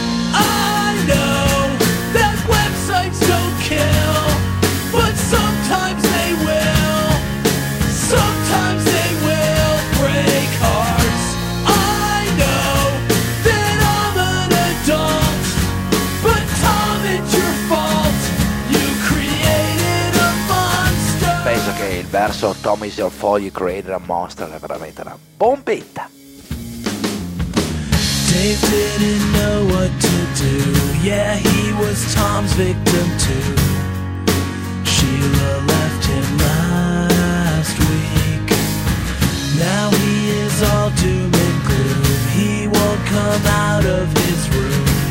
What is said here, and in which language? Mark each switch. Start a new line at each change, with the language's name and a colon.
English: I know that websites don't kill, but sometimes they will. Sometimes they will break hearts. I know that I'm an adult, but Tom, it's your fault. You created a monster.
Italian: Penso che il verso
English: Tom is your fault, you created a monster,
Italian: è veramente una bombetta.
English: Dave didn't know what to do. Yeah, he was Tom's victim too. Sheila left him last week. Now he is all doom and gloom. He won't come out of his room.